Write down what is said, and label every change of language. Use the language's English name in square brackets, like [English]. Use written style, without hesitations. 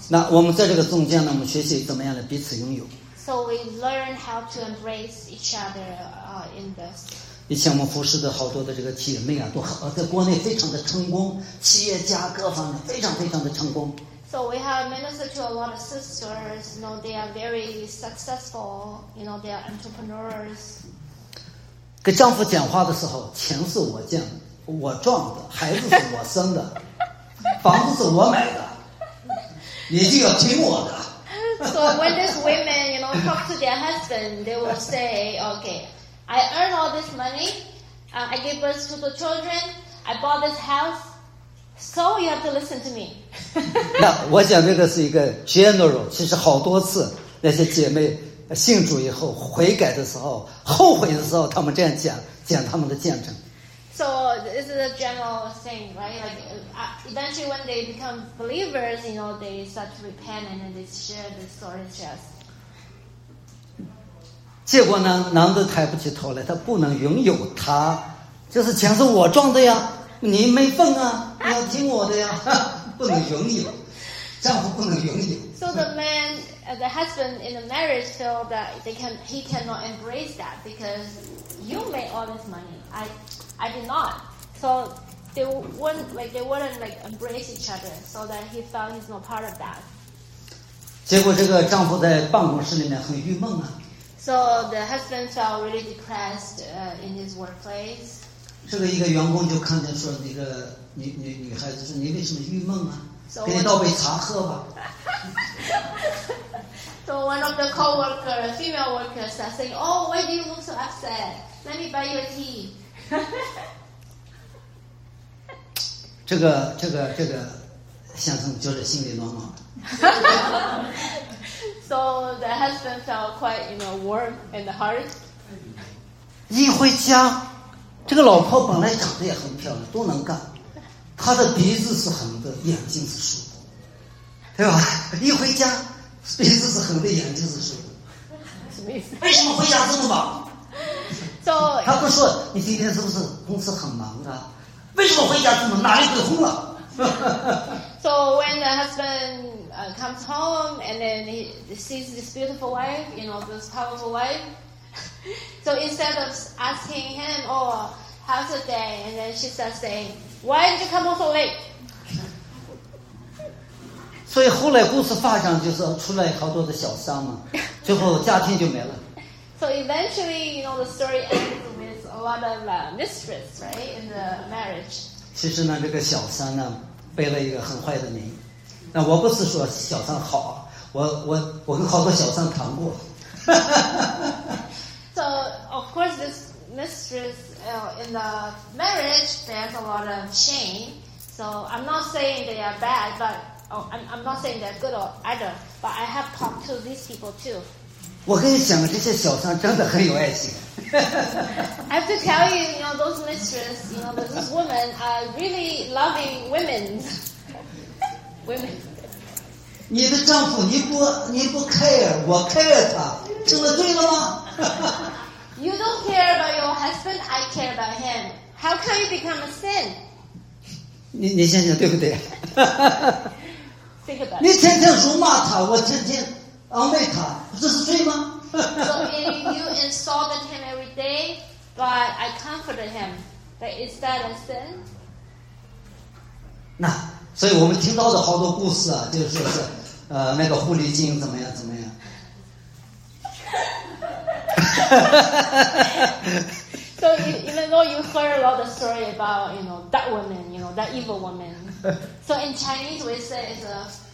[Chinese] 那我们在这个中间呢，我们学习怎么样的彼此拥有。 [English] So we learn how to embrace each other, in this. [Chinese] 以前我们服侍的好多的这个姐妹啊，都在国内非常的成功，企业家各方面非常非常的成功。 [English] So we have ministered to a lot of sisters. You know, they are very successful. You know, they are entrepreneurs. [Chinese] 跟丈夫讲话的时候，钱是我建的，我赚的，孩子是我生的，房子是我买的，你就要听我的。 [English] So when these women, you know, talk to their husband, they will say, okay, I earn all this money, I give birth to the children, I bought this house, so you have to listen to me. [Chinese] 那我想这个是一个 general, 其实好多次那些姐妹信主以后悔改的时候后悔的时候他们这样讲讲他们的见证。 [English] So this is a general thing, right? Like, eventually when they become believers, you know, they start to repent and then they share the story with us. [Chinese] 结果呢，男的抬不起头来，他不能拥有他，就是钱是我赚的呀，你没份啊，你要听我的呀，不能拥有，丈夫不能拥有。 [English] So the man, the husband in the marriage feel that they can, he cannot embrace that because you made all this money, I did not. So they wouldn't embrace each other. So that he felt he's not part of that. [Chinese] 结果这个丈夫在办公室里面很郁闷啊。 [English] So the husband felt really depressed, in his workplace. [Chinese] 这个一个员工就看见说那个女孩子说你为什么郁闷啊？给你倒杯茶喝吧。 [English] So one of the coworker, female workers, start saying, "Oh, why do you look so upset? Let me buy you a tea." [Chinese] 这个先生就是心里暖暖的。 [English] So the husband felt quite, you know, warm in the heart. [Chinese] 一回家，这个老婆本来长得也很漂亮，都能干。她的鼻子是横的，眼睛是竖的，对吧？一回家，鼻子是横的，眼睛是竖的。什么意思？为什么回家这么忙？ [English] So, [Chinese] 他不说你今天是不是公司很忙啊？为什么回家这么哪里不通了？ [English] So when the husband comes home and then he sees this beautiful wife, you know, this powerful wife. So instead of asking him, "Oh, how's the day?" and then she starts saying, "Why did you come home so late?" [Chinese] 所以后来故事发展就是出来好多的小三嘛，最后家庭就没了。 [English] So eventually, you know, the story ends with a lot of mistress, right, in the marriage. [Chinese] 其实呢，这个小三呢，背了一个很坏的名。那我不是说小三好，我跟好多小三谈过。 [English] So of course, this mistress, in the marriage bears a lot of shame. So I'm not saying they are bad, but I'm not saying they're good either. But I have talked to these people too. [Chinese] 我跟你讲，这些小三真的很有爱心。 [English] I have to tell you, you know, those mistress, you know, those women are really loving women. Women. [Chinese] 你的丈夫你不 care, 我 care 他，真的对了吗？ [English] You don't care about your husband, I care about him. How can you become a sin? [Chinese] 你想想对不对？ [English] Think about it. [Chinese] 你天天辱骂他，我天天。安慰他，这是罪吗？ [English] So if you insulted him every day, but I comforted him, but is that a sin? [Chinese] 那所以我们听到的好多故事啊，就是说，那个狐狸精怎么样怎么样。 [English] So even though you heard a lot of story about, you know, that woman, you know, that evil woman. So in Chinese we say it's a